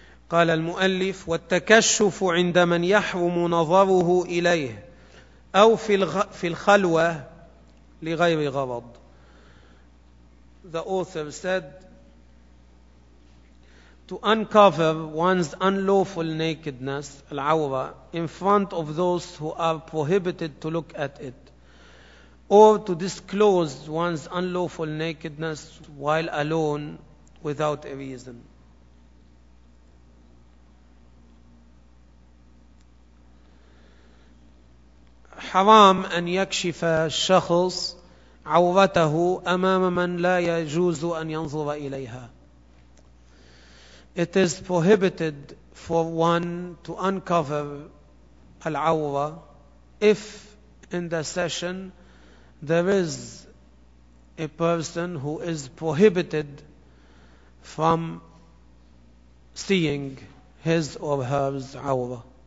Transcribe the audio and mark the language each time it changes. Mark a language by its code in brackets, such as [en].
[ar] قال المؤلف: والتكشف عند من يحرم نظره إليه أو في الخلوة لغير غرض. [en] The author said, to uncover one's unlawful nakedness, العورة, in front of those who are prohibited to look at it, or to disclose one's unlawful nakedness while alone without a reason. [ar] حرام أن يكشف الشخص عورته أمام من لا يجوز أن ينظر إليها. [en] It is prohibited for one to uncover العورة if in the session there is a person who is prohibited from seeing his or her عورة.